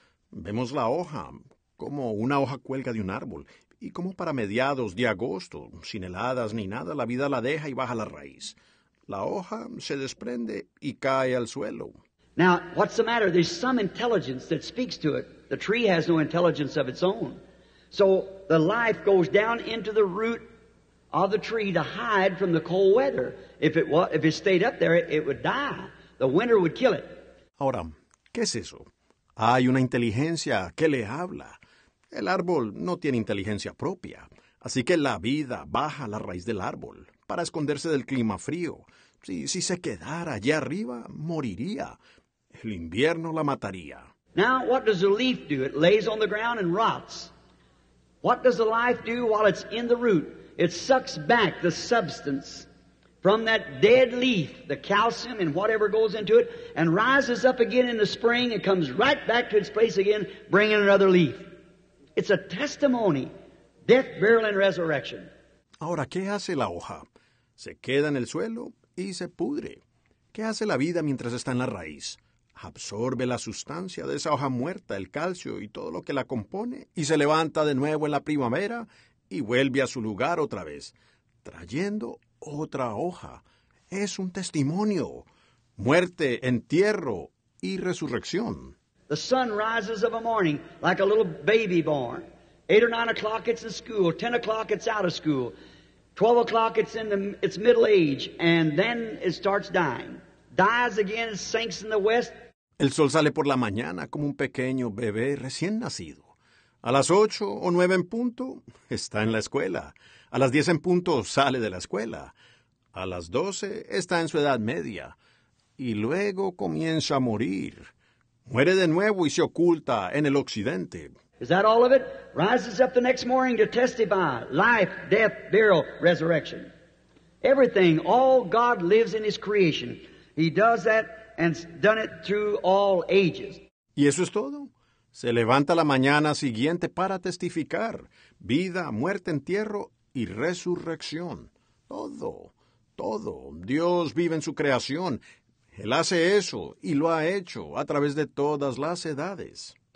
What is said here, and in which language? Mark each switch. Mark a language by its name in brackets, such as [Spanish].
[Spanish] Vemos la hoja, como una hoja cuelga de un árbol. Y como para mediados de agosto, sin heladas ni nada, la vida la deja y baja la raíz. La hoja se desprende y cae al suelo. [English] Now, what's the matter? There's some intelligence that speaks to it. The tree has no intelligence of its own. So the life goes down into the root of the tree to hide from the cold weather. If it stayed up there, it would die. The winter would kill it. [Spanish] Ahora, ¿qué es eso? Hay una inteligencia que le habla. El árbol no tiene inteligencia propia, así que la vida baja a la raíz del árbol para esconderse del clima frío. Si se quedara allá arriba, moriría. El invierno la mataría. [English] Now, what does the leaf do? It lays on the ground and rots. What does the life do while it's in the root? It sucks back the substance from that dead leaf, the calcium and whatever goes into it, and rises up again in the spring and comes right back to its place again, bringing another leaf. It's a testimony, death, burial, and resurrection. [Spanish] Ahora, ¿qué hace la hoja? Se queda en el suelo y se pudre. ¿Qué hace la vida mientras está en la raíz? Absorbe la sustancia de esa hoja muerta, el calcio y todo lo que la compone, y se levanta de nuevo en la primavera y vuelve a su lugar otra vez, trayendo otra hoja. Es un testimonio. Muerte, entierro y resurrección. [English] The sun rises of a morning like a little baby born. 8 or 9 o'clock it's in school. 10 o'clock it's out of school. 12 o'clock it's in its middle age, and then it starts dying. Dies again, sinks in the west. [Spanish] El sol sale por la mañana como un pequeño bebé recién nacido. A las 8 o 9 en punto está en la escuela. A las 10 en punto sale de la escuela. A las 12 está en su edad media, y luego comienza a morir. Muere de nuevo y se oculta en el occidente. [English] Is that all of it? Rises up the next morning to testify life, death, burial, resurrection. Everything, all God lives in his creation. He does that and has done it through all ages. [Spanish] ¿Y eso es todo? Se levanta la mañana siguiente para testificar vida, muerte, entierro y resurrección. Todo, todo. Dios vive en su creación. Él hace eso, y lo ha hecho a través de todas las edades.